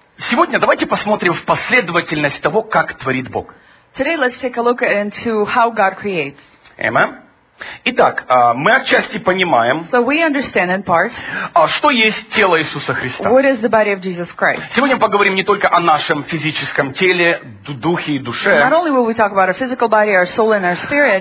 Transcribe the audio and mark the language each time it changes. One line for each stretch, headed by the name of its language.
Russian: Сегодня давайте посмотрим в последовательность того, как творит Бог.
English: Today let's take a look into how God creates. Amen.
Russian: Итак, мы отчасти понимаем,
English: so we understand in part,
Russian: что есть тело Иисуса Христа.
English: What is the body of Jesus Christ?
Russian: Сегодня поговорим не только о нашем физическом теле, духе и душе.
English: Not only will we talk about our physical body, our soul and our spirit.